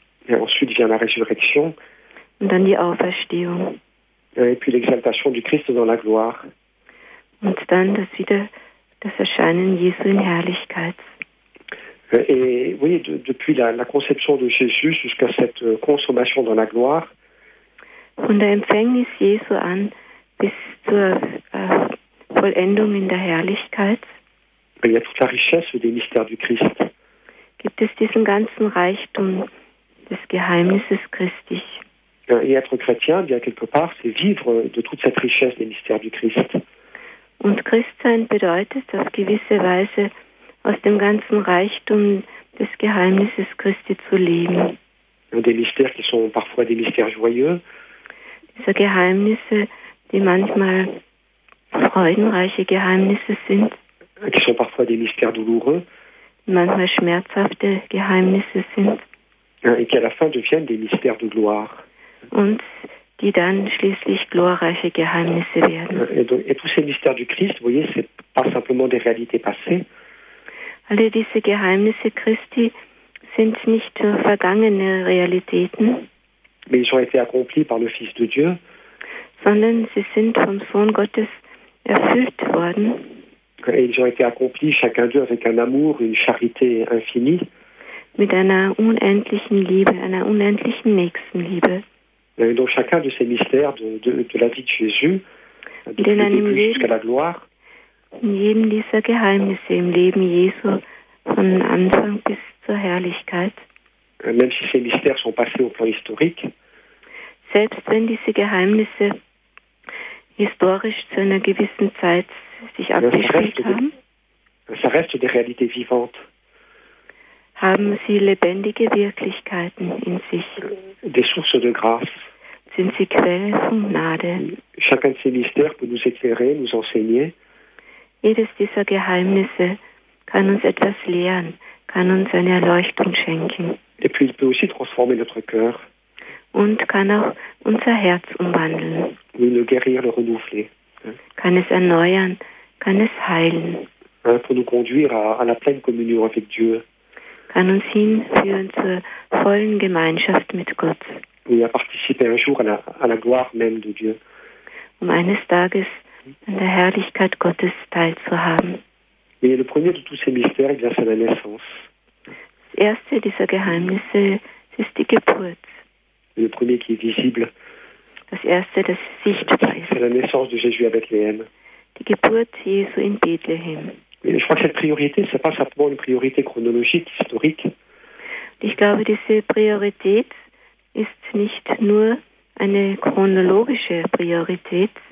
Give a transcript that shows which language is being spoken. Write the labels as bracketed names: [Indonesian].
[French] Et ensuite vient la résurrection. [German] Und dann die Auferstehung. [French] Et puis l'exaltation du Christ dans la gloire. [German] Und dann das Erscheinen Jesu in Herrlichkeit. [French] Et oui, depuis la conception de Jésus jusqu'à cette consommation dans la gloire. [German] Von der Empfängnis Jesu an bis zur Vollendung in der Herrlichkeit. [French] Il y a toute la richesse des mystères du Christ. [German] Gibt es diesen ganzen Reichtum des Geheimnisses Christi. [French] Et être chrétien, bien quelque part, c'est vivre de toute cette richesse des mystères du Christ. [German] Und Christsein bedeutet auf gewisse Weise, aus dem ganzen Reichtum des Geheimnisses Christi zu leben. [French] Des mystères qui sont parfois des mystères joyeux. [German] Diese Geheimnisse, die manchmal freudenreiche Geheimnisse sind. [French] Qui sont parfois des mystères douloureux. [German] Manchmal schmerzhafte Geheimnisse sind. [French] Et qui à la fin deviennent des mystères de gloire. [German] Und die dann schließlich glorreiche Geheimnisse werden. [French] Et tous ces mystères du Christ, vous voyez, c'est pas simplement des réalités passées. [German] Alle diese Geheimnisse Christi sind nicht nur vergangene Realitäten. [French] Mais ils ont été accomplis par le Fils de Dieu. [German] Sondern sie sind vom Sohn Gottes erfüllt worden. [French] Et ils ont été accomplis chacun d'eux avec un amour, une charité infinie. [German] Mit einer unendlichen Liebe, einer unendlichen Nächstenliebe. [French] Et donc chacun de ces mystères de la vie de Jésus, du début jusqu'à la gloire. [German] In jedem dieser Geheimnisse im Leben Jesu, von Anfang bis zur Herrlichkeit. [French] Même si ces mystères sont passés au plan historique. [German] Selbst wenn diese Geheimnisse historisch zu einer gewissen Zeit sich abgespielt haben. Realität [French] vivante. [German] Haben Sie lebendige Wirklichkeiten in sich? [French] Des sources de grâce. [German] Sind Sie Quelle von Gnade? [French] Chacun de ces mystères peut nous éclairer, nous enseigner. [German] Jedes dieser Geheimnisse kann uns etwas lehren, kann uns eine Erleuchtung schenken. [French] Et puis il peut aussi transformer notre cœur. [German] Und kann auch unser Herz umwandeln. [French] Oui, le guérir, le renouveler. [German] Kann es erneuern, kann es heilen. [French] Pour nous conduire à la pleine communion avec Dieu. [German] Kann uns hinführen zur vollen Gemeinschaft mit Gott. [French] Oui, à participer un jour à la gloire même de Dieu. [German] Um eines Tages an der Herrlichkeit Gottes teilzuhaben. [French] Oui, le premier de tous ces mystères, c'est la naissance. [German] Das erste dieser Geheimnisse ist die Geburt. [French] Le premier qui est visible. [German] Das erste, das sichtbar ist. [French] C'est la naissance de Jésus à Bethléem. [German] Die Geburt Jesu in Bethlehem. [French] Et je crois que cette priorité, ce n'est pas simplement une priorité chronologique, historique. [German] Ich glaube, diese Priorität ist nicht nur eine chronologische Priorität.